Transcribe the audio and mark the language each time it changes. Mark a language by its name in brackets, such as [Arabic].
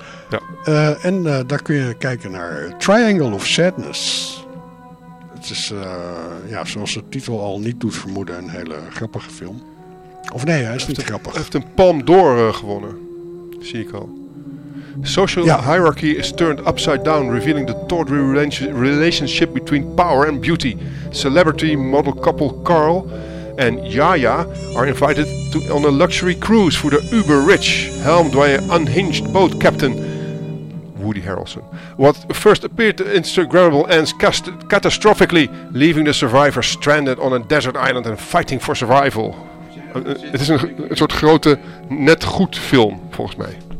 [Dutch] Ja. En daar kun je kijken naar Triangle of Sadness. Het is, zoals de titel al niet doet vermoeden, een hele grappige film. Of nee, hij is niet grappig. Hij heeft een Palme d'Or gewonnen, zie ik al. [English] Social hierarchy is turned upside down, revealing the tawdry relationship between power and beauty. Celebrity model couple Carl and Yaya are invited on a luxury cruise for the uber rich, helmed by an unhinged boat captain, Woody Harrelson. What first appeared to Instagrammable ends catastrophically, leaving the survivors stranded on a desert island and fighting for survival. [Dutch] Het is een soort grote net goed film, volgens mij.